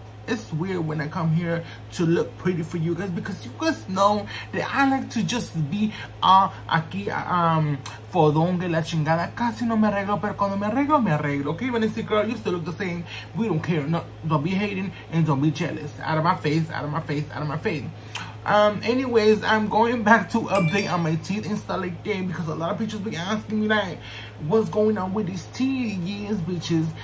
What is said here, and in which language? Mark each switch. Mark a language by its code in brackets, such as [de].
[en] It's weird when I come here to look pretty for you guys because you guys know that I like to just be [es] aquí fodongue la chingada. Casi no me arreglo, pero cuando me arreglo, okay? [en] When I see girl, you still look the same. We don't care. No, don't be hating and don't be jealous. Out of my face, out of my face, out of my face. Anyways, I'm going back to update on my teeth and stuff like that because a lot of bitches be asking me like, what's going on with these teeth? Yes, bitches.